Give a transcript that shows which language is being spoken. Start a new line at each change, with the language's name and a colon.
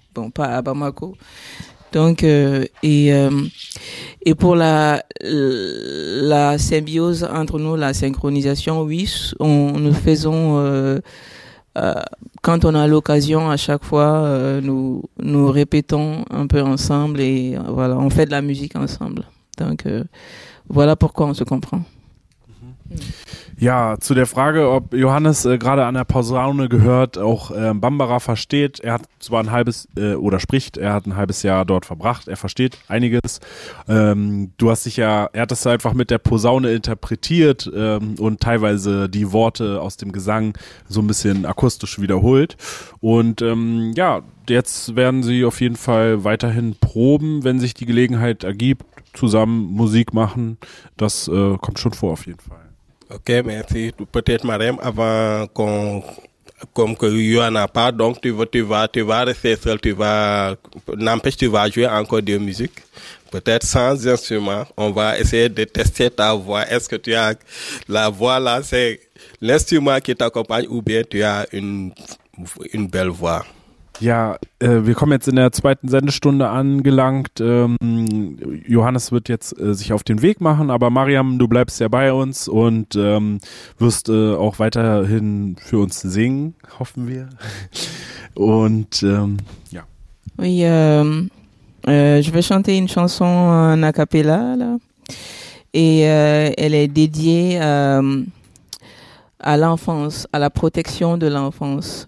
French: Bon, pas à Bamako. Donc, et pour la symbiose entre nous, la synchronisation, oui, nous faisons, quand on a l'occasion, à chaque fois, nous répétons un peu ensemble et voilà, on fait de la musique ensemble. Donc, voilà pourquoi on se comprend.
German: Ja, zu der Frage, ob Johannes gerade an der Posaune gehört, auch Bambara versteht. Er hat zwar ein halbes spricht, er hat ein halbes Jahr dort verbracht, er versteht einiges. Er hat das einfach mit der Posaune interpretiert und teilweise die Worte aus dem Gesang so ein bisschen akustisch wiederholt. Und jetzt werden sie auf jeden Fall weiterhin proben, wenn sich die Gelegenheit ergibt, zusammen Musik machen. Das kommt schon vor auf jeden Fall.
French: Ok, merci. Peut-être Mariam, avant qu'on, comme que Yohan n'a pas, donc tu vas rester seul, tu vas jouer encore de la musique, peut-être sans instrument. On va essayer de tester ta voix. Est-ce que tu as la voix là, c'est l'instrument qui t'accompagne ou bien tu as une belle voix?
German: Ja, wir kommen jetzt in der zweiten Sendestunde angelangt. Johannes wird jetzt sich auf den Weg machen, aber Mariam, du bleibst ja bei uns und wirst auch weiterhin für uns singen, hoffen wir. Und ja.
French: Oui, je vais chanter une chanson en a cappella là. Et elle est dédiée à l'enfance, à la protection de l'enfance.